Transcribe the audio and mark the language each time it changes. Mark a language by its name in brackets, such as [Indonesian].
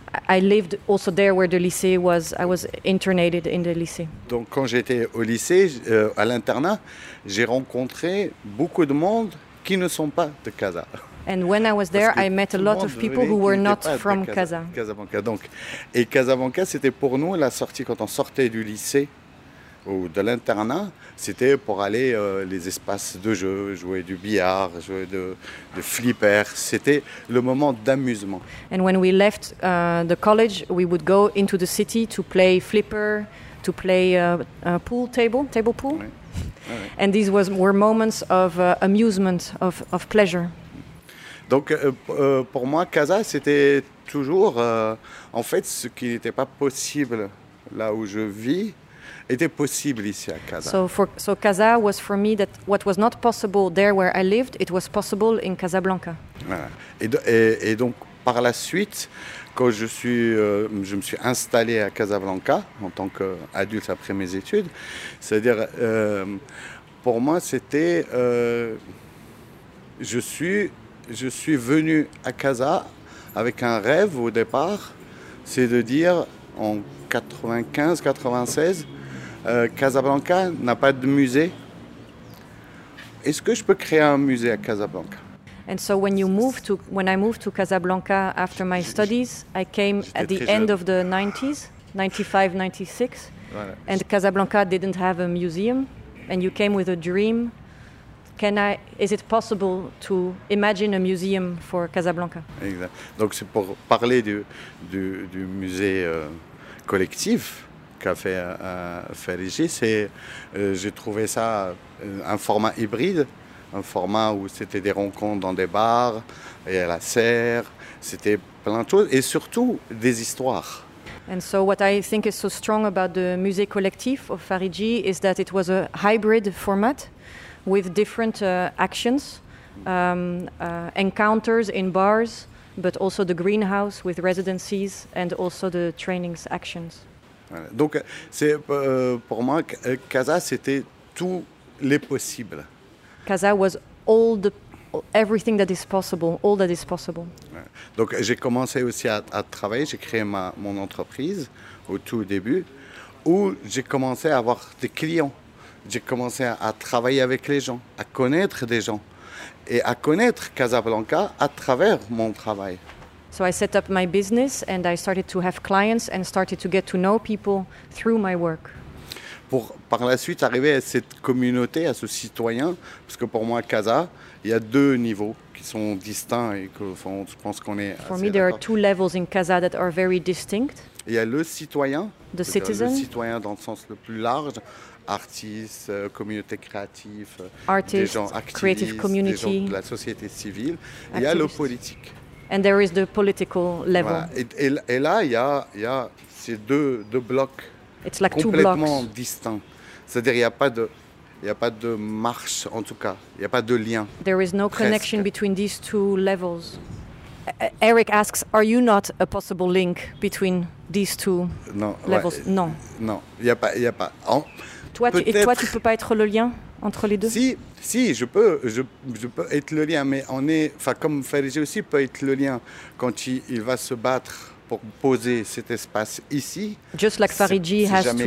[English] I lived also there where the lycée was. I was internated in the lycée. [French] Donc quand j'étais au lycée, à l'internat, j'ai rencontré beaucoup de monde qui ne sont pas de Casa. [English] And when I was there, I met a lot of people who were not from Casa. Casablanca. [French] Donc, et Casablanca, c'était pour nous la sortie quand on sortait du lycée ou de l'internat, c'était pour aller les espaces de jeu, jouer du billard, jouer de flipper. C'était le moment d'amusement. [English] And when we left the college, we would go into the city to play flipper, to play pool table pool. Oui. And these were moments of amusement, of pleasure. [French] Donc pour moi, Casa, c'était toujours, en fait, ce qui n'était pas possible là où je vis, était possible ici à Casa. [English] So Casa was for me that what was not possible there where I lived, it was possible in Casablanca. [French] Voilà. Et donc par la suite, quand je me suis installé à Casablanca en tant qu'adulte après mes études, c'est-à-dire pour moi c'était je suis venu à Casa avec un rêve au départ, c'est de dire en 95-96 Casablanca n'a pas de musée. Est-ce que je peux créer un musée à Casablanca? [English] And so when I moved to Casablanca after my studies, I came at the end of the 90s, 95, 96, voilà. And Casablanca didn't have a museum, and you came with a dream. Is it possible to imagine a museum for Casablanca? [French] Exact. Donc c'est pour parler du musée collectif. Qu'a fait Régis, j'ai trouvé ça un format hybride un format où c'était des rencontres dans des bars et à la serre. C'était plein de choses et surtout des histoires. [English] And so what I think is so strong about the Musée Collectif of Farigi is that it was a hybrid format with different actions, encounters in bars, but also the greenhouse with residencies and also the trainings actions. [French] Voilà. Donc c'est, pour moi, Casa, c'était tous les possibles. [English] Casa was all the everything that is possible, all that is possible. [French] Donc j'ai commencé aussi à travailler, j'ai créé mon entreprise au tout début, où j'ai commencé à avoir des clients, j'ai commencé à travailler avec les gens, à connaître des gens, et à connaître Casablanca à travers mon travail. [English] So I set up my business and I started to have clients and started to get to know people through my work. [French] Pour par la suite arriver à cette communauté, à ce citoyen, parce que pour moi, Casa, il y a deux niveaux qui sont distincts et que enfin, je pense qu'on est assez d'accord. [English] There are two levels in Casa that are very distinct. [French] Il y a le citoyen, [English] the citizen. [French] Le citoyen dans le sens le plus large, artistes, communauté créative, [English] artists, [French] des gens activistes, [English] creative community, [French] des gens de la société civile. Activists. Il y a le politique. [English] And there is the political level. [French] Voilà. Et là, il y a ces deux blocs. [English] It's like [French] complètement [English] two blocks. [French] Distinct. C'est-à-dire il y a pas de marche en tout cas, il y a pas de lien. [English] There is no [French] presque. [English] Connection between these two levels. Eric asks, are you not a possible link between these two [French] non, [English] levels? [French] Ouais, non. Non, il y a pas. Toi tu peux pas être le lien entre les deux? Si, je peux être le lien, mais on est enfin comme Farigi aussi peut être le lien quand il va se battre pour poser cet espace ici. [English] Just like Farigi [French] c'est [English] has [French] jamais